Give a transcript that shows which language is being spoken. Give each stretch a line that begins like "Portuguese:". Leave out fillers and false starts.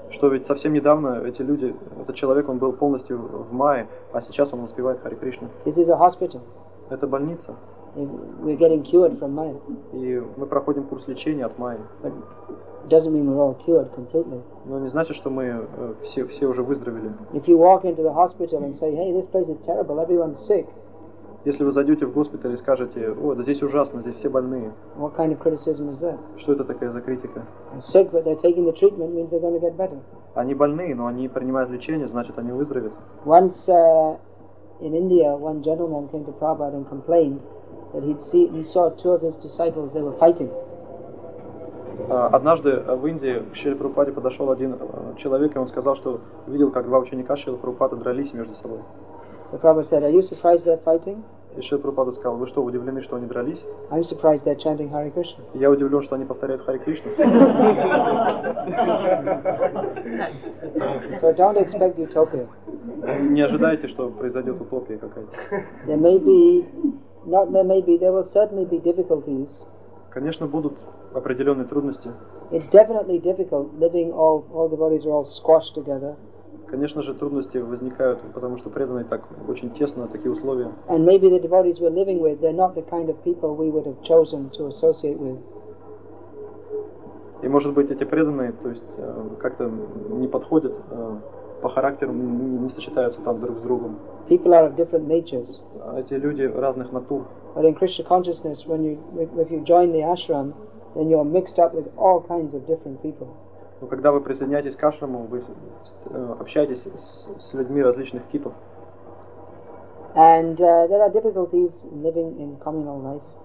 Russian: Что ведь совсем недавно эти люди, этот человек, он был полностью в Майе, а сейчас он воспевает Харе Кришну.
English: This is a hospital.
Russian: Это больница.
English: And we're getting cured from Maya.
Russian: И мы проходим курс лечения от Майи.
English: But doesn't mean we're all cured completely.
Russian: Но не значит, что мы все уже выздоровели.
English: If you walk into the hospital and say, hey, this place is terrible, everyone's sick.
Russian: Если вы зайдете в госпиталь и скажете, о, да здесь ужасно, здесь все больные.
English: What kind of criticism is that?
Russian: Что это такая за критика?
English: Sick, but they're taking the treatment, means they're going to get better.
Russian: Они больные, но они принимают лечение, значит, они выздоровеют.
English: Once in India, one gentleman came to Prabhupada and complained that he saw two of his disciples, they were fighting.
Russian: Однажды в Индии к Шриле Прабхупаде подошел один человек, и он сказал, что видел, как два ученика Шриле Прабхупады дрались между собой.
English: So Prabhupada said, "Are you surprised they're fighting?"
Russian: И Шрила Прабхупада сказал, "Вы что, удивлены, что они дрались?"
English: I'm surprised they're chanting Hare Krishna.
Russian: Я удивлен, что они повторяют Харе Кришну.
English: So don't expect utopia.
Russian: Не ожидайте, что произойдет утопия какая-то.
English: There will certainly be difficulties.
Russian: Конечно, будут определенные трудности.
English: It's definitely difficult living all the bodies are all squashed together.
Russian: Конечно же, трудности возникают, потому что преданные так очень тесно, такие условия.
English: And maybe the devotees we're living with, they're not the kind of people we would have chosen to associate with.
Russian: И может быть, эти преданные, то есть, как-то не подходят по характеру, не сочетаются там друг с другом.
English: People are of different natures.
Russian: Эти люди разных натур.
English: But in Krishna consciousness, if you join the ashram, then you're mixed up with all kinds of different people.
Russian: Но когда вы присоединяетесь к ашраму, вы общаетесь с людьми различных типов.
English: And there are difficulties living in communal life.